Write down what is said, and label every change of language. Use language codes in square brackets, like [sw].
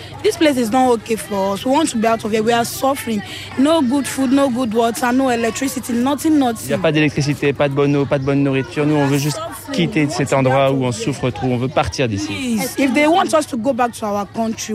[en] This place is not okay for us. We want to be out of here. We are suffering. No good food, no good water, no electricity, nothing. [fr] Il y a pas d'électricité, pas de bonne eau, pas de bonne nourriture. Nous, on veut juste quitter cet endroit où on souffre trop. On veut partir d'ici. [en] If they want us to go back to our country,